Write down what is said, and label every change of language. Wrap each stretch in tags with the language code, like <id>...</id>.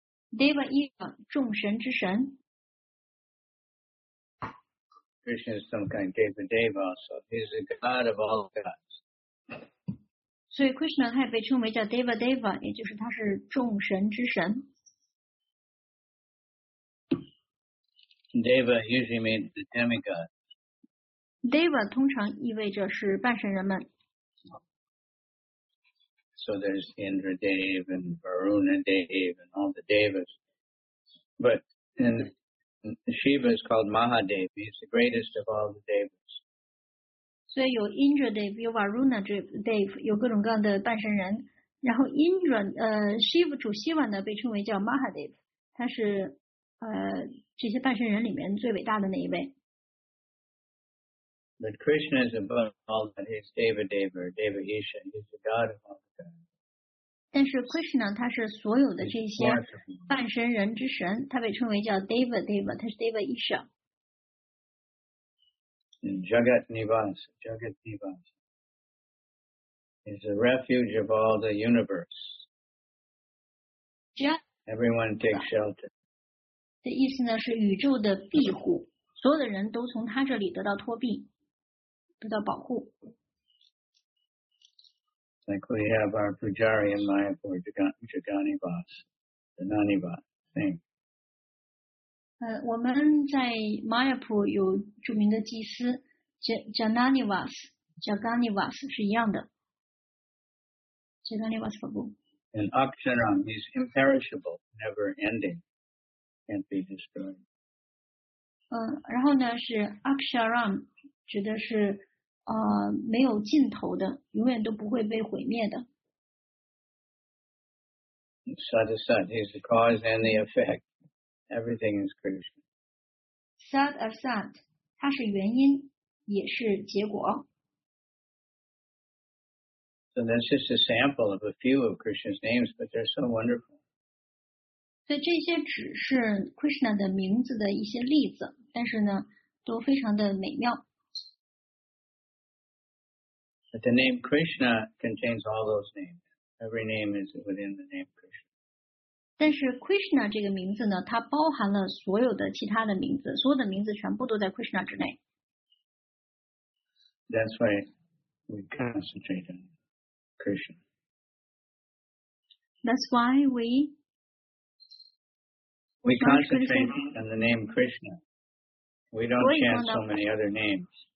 <zh>Deva Isha, 众神之神。</zh> <en>Krishna is some kind, Deva Deva also. He's the God of all gods.</en> <zh>So, Krishna 还被称为叫 Deva Deva, 也就是他是众神之神。</zh> <en>Deva usually means the demigod.</en> <zh>Deva 通常意味着是半神人们。</zh> <en>So there's Indra Dev and Varuna Dev and all the Devas. But and Shiva is called Mahadev. He's the greatest of all the Devas.</en> <zh>所以有 Indra Dev, 有 Varuna Dev, 有各种各样的半神人。然后 Indra, Shiva 主希望呢, 被称为叫 Mahadev, 他是 这些半神人里面最伟大的那一位。</zh> <en>But Krishna is above all that. He's Deva Deva, Deva Isha. He's the God of all the gods.</en> <zh>但是 Krishna 他是所有的这些半神人之神, 他被称为叫 Deva Deva, 他是 Deva Isha.</zh> <en>Jagat Nivas, Jagat Nivas. He's the refuge of all the universe. Everyone takes shelter.</en> <zh>这意思呢是宇宙的庇护，所有的人都从他这里得到托庇，得到保护。</zh> <en>Like we have our pujari in Mayapur, Jagani Vas, the Nani Vas, same.</en> <zh>我们在 Mayapur 有著名的祭司 Jagani Vas, Jagani Vas 是一样的。</zh> <en>Jagani Vas Prabhu. And Akshanam is imperishable, never ending. Can't be destroyed.</en> <zh>然后呢是 Aksharam, 指的是 没有尽头的, 永远都不会被毁灭的。</zh> <en>Sat-Sat is the cause and the effect. Everything is Krishna.</en> <zh>Sat-Sat, 它是原因, 也是结果。</zh> <en>So that's just a sample of a few of Krishna's names, but they're so wonderful.</en> <zh>所以这些只是 Krishna 的名字的一些例子，但是呢，都非常的美妙。</zh> <en>But the name Krishna contains all those names. Every name is within the name Krishna.</en> <zh>但是 Krishna 这个名字呢，它包含了所有的其他的名字，所有的名字全部都在 Krishna 之内。</zh> <en>That's why we concentrate on Krishna. That's why we. We concentrate on the name Krishna. We don't chant so many other names.</en>